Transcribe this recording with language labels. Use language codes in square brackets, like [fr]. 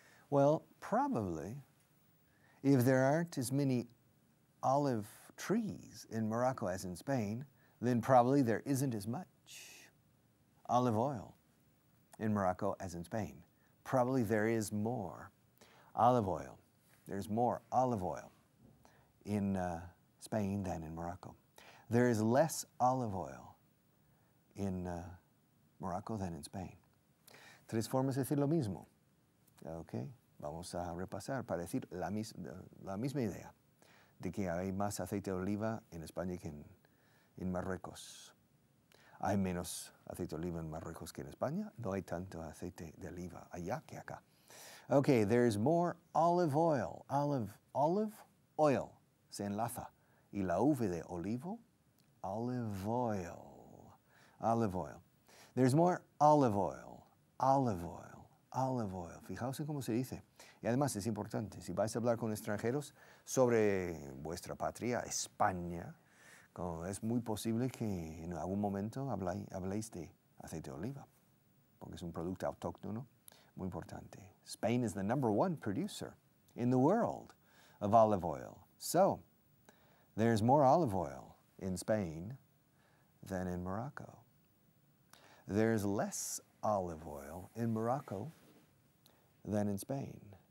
[en] Well, probably, if there aren't as many olive trees in Morocco as in Spain, then probably there isn't as much olive oil in Morocco as in Spain. Probably there is more olive oil. There's more olive oil in Spain than in Morocco. There is less olive oil in Morocco than in Spain. [es] Tres formas de decir lo mismo. Okay, vamos a repasar para decir la misma idea de que hay más aceite de oliva en España que en Marruecos. Hay menos aceite de oliva en Marruecos que en España. No hay tanto aceite de oliva allá que acá. [en] Okay, there's more olive oil. Olive oil [es] se enlaza. Y la V de olivo [en] olive oil. Olive oil. There's more olive oil. Olive oil. Olive oil. [es] Fijaos en cómo se dice. Y además es importante, si vais a hablar con extranjeros sobre vuestra patria, España, es muy posible que en algún momento habléis de aceite de oliva, porque es un producto autóctono muy importante. [en] Spain is the number one producer in the world of olive oil. So, there's more olive oil in Spain than in Morocco. There's less olive oil in Morocco than in Spain.